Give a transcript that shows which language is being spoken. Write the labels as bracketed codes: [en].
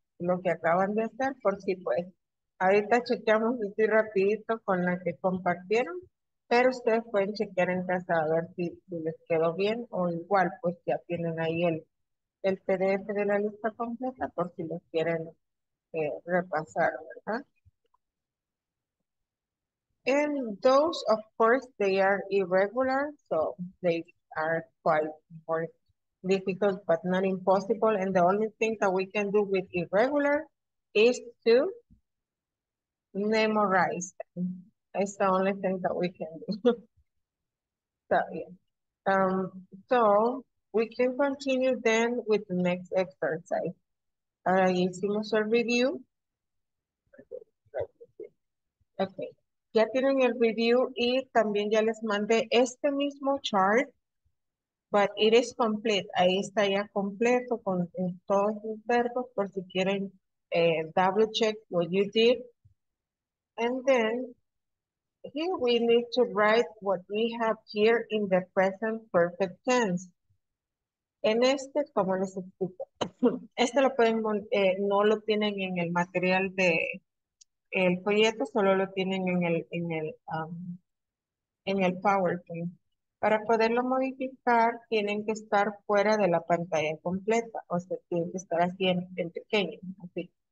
[es] Lo que acaban de hacer, por si pues. Ahorita chequeamos así rapidito con la que compartieron. Pero ustedes pueden chequear en casa a ver si les quedó bien o igual, pues ya tienen ahí el PDF de la lista completa por si les quieren repasar, ¿verdad? [en] And those, of course, they are irregular, so they are quite more difficult, but not impossible. And the only thing that we can do with irregular is to memorize them. It's the only thing that we can do. So, yeah. So we can continue then with the next exercise. [es] Ahora hicimos el review. Okay. Ya tienen el review y también ya les mandé este mismo chart, [en] but it is complete. [es] Ahí está ya completo con todos los verbos por si quieren [en] double check what you did. And then here we need to write what we have here in the present perfect tense. [es] En este, como les explico, este lo pueden, no lo tienen en el material de el folleto, solo lo tienen en el PowerPoint. Para poderlo modificar, tienen que estar fuera de la pantalla completa, o sea, tienen que estar así en pequeño, así.